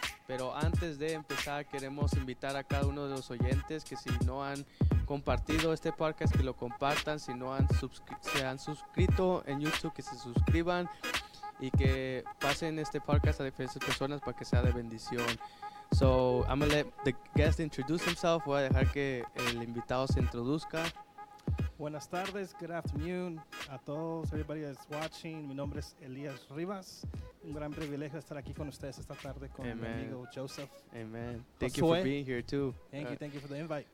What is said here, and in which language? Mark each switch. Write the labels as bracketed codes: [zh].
[es] Pero antes de empezar, queremos invitar a cada uno de los oyentes que si no han compartido este podcast, que lo compartan. Si no han se han suscrito en YouTube, que se suscriban y que pasen este podcast a diferentes personas para que sea de bendición. [en] So, I'm going to let the guest introduce himself. [es] Voy a dejar que el invitado se introduzca. Buenas tardes, [en] good afternoon [es] a todos, [en] everybody that's watching. [es] Mi nombre es Elías Rivas. Un gran privilegio estar aquí con ustedes esta tarde con mi amigo Joseph. [en] Amen. Thank you for being here too. Thank you for the invite.